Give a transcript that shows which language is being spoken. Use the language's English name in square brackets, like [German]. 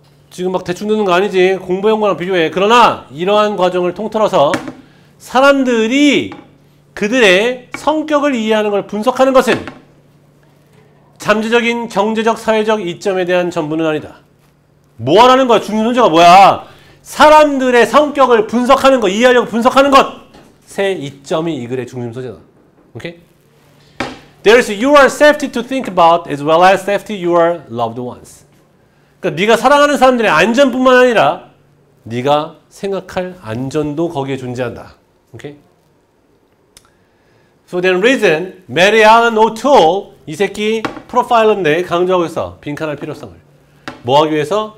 [Korean] 지금 막 대충 듣는 거 아니지. 공부 연구랑 비교해. 그러나 이러한 과정을 통틀어서 사람들이 그들의 성격을 이해하는 걸 분석하는 것은 잠재적인 경제적 사회적 이점에 대한 전부는 아니다. 뭐 하라는 거야? 중요한 문제가 뭐야? 사람들의 성격을 분석하는 것, 이해하려고 분석하는 것. 새 이점이 이 글의 중심 소재다. 오케이? [English] There is your safety to think about as well as safety your loved ones. [Korean] 그러니까 네가 사랑하는 사람들의 안전뿐만 아니라 네가 생각할 안전도 거기에 존재한다. 오케이? [English] So then reason, [Korean] Mary Allen O'Toole, 이 새끼 프로파일러인데 강조하고 있어. 빈칸할 필요성을. 뭐 하기 위해서?